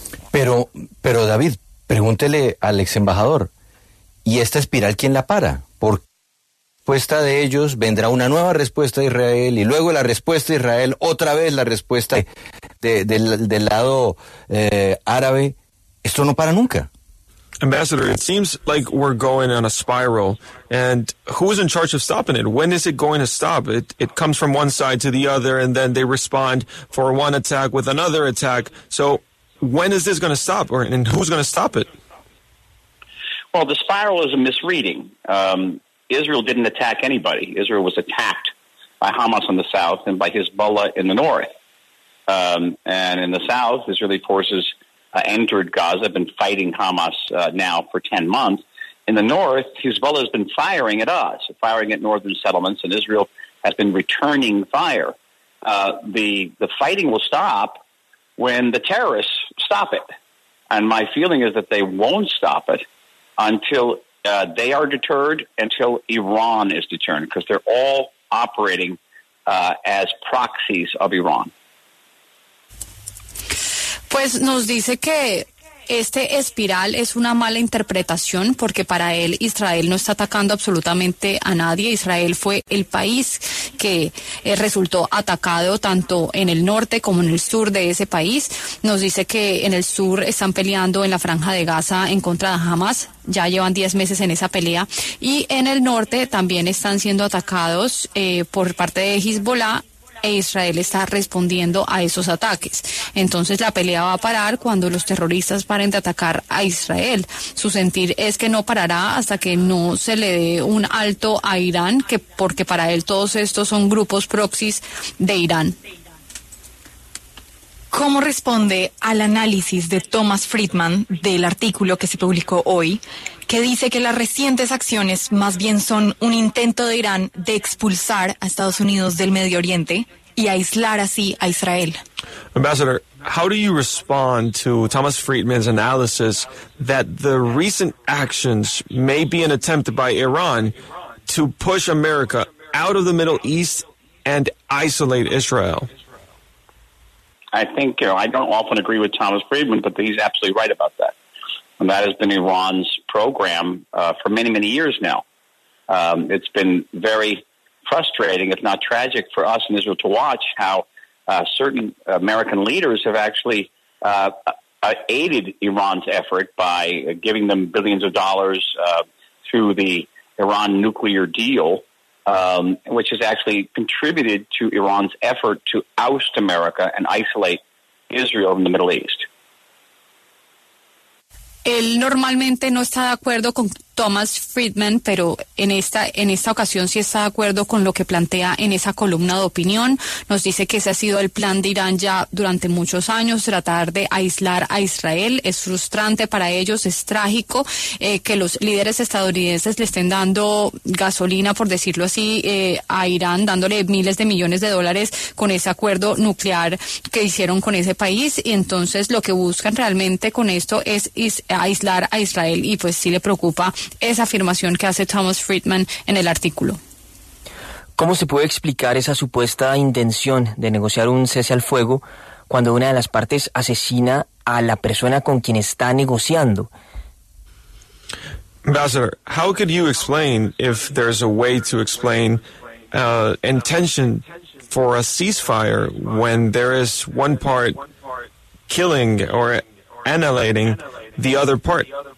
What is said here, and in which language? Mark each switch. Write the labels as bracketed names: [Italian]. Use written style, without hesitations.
[Spanish] Pero David, pregúntele al ex embajador. ¿Y esta espiral quién la para? Por respuesta de ellos vendrá una nueva respuesta de Israel y luego la respuesta de Israel, otra vez la respuesta del lado árabe. Esto no para nunca. [English] Ambassador, it seems like we're going on a spiral. And who is in charge of stopping it? When is it going to stop? It comes from one side to the other and then they respond for one attack with another attack. So when is this going to stop and who's going to stop it? Well, the spiral is a misreading. Israel didn't attack anybody. Israel was attacked by Hamas in the south and by Hezbollah in the north. And in the south, Israeli forces entered Gaza, been fighting Hamas now for 10 months. In the north, Hezbollah has been firing at us, firing at northern settlements, and Israel has been returning fire, the fighting will stop when the terrorists stop it. And my feeling is that they won't stop it until they are deterred, until Iran is deterred, because they're all operating as proxies of Iran. [Spanish] Pues nos dice que este espiral es una mala interpretación, porque para él Israel no está atacando absolutamente a nadie. Israel fue el país que resultó atacado tanto en el norte como en el sur de ese país. Nos dice que en el sur están peleando en la franja de Gaza en contra de Hamas, ya llevan 10 meses en esa pelea, y en el norte también están siendo atacados por parte de Hezbollah. E Israel está respondiendo a esos ataques. Entonces la pelea va a parar cuando los terroristas paren de atacar a Israel. Su sentir es que no parará hasta que no se le dé un alto a Irán, que porque para él todos estos son grupos proxies de Irán. ¿Cómo responde al análisis de Thomas Friedman del artículo que se publicó hoy, que dice que las recientes acciones más bien son un intento de Irán de expulsar a Estados Unidos del Medio Oriente y aislar así a Israel? [English] Ambassador, how do you respond to Thomas Friedman's analysis that the recent actions may be an attempt by Iran to push America out of the Middle East and isolate Israel? I think, you know, I don't often agree with Thomas Friedman, but he's absolutely right about that. And that has been Iran's program for many, many years now. It's been very frustrating, if not tragic, for us in Israel to watch how certain American leaders have actually aided Iran's effort by giving them billions of dollars through the Iran nuclear deal, which has actually contributed to Iran's effort to oust America and isolate Israel in the Middle East. [Spanish] Él normalmente no está de acuerdo con Thomas Friedman, pero en esta ocasión sí está de acuerdo con lo que plantea en esa columna de opinión. Nos dice que ese ha sido el plan de Irán ya durante muchos años, tratar de aislar a Israel. Es frustrante para ellos, es trágico que los líderes estadounidenses le estén dando gasolina, por decirlo así, a Irán, dándole miles de millones de dólares con ese acuerdo nuclear que hicieron con ese país. Y entonces lo que buscan realmente con esto es aislar a Israel, y pues sí le preocupa esa afirmación que hace Thomas Friedman en el artículo. ¿Cómo se puede explicar esa supuesta intención de negociar un cese al fuego cuando una de las partes asesina a la persona con quien está negociando? [English] Ambassador, how could you explain, if there's a way to explain, intention for a ceasefire when there is one part killing or annihilating the other part?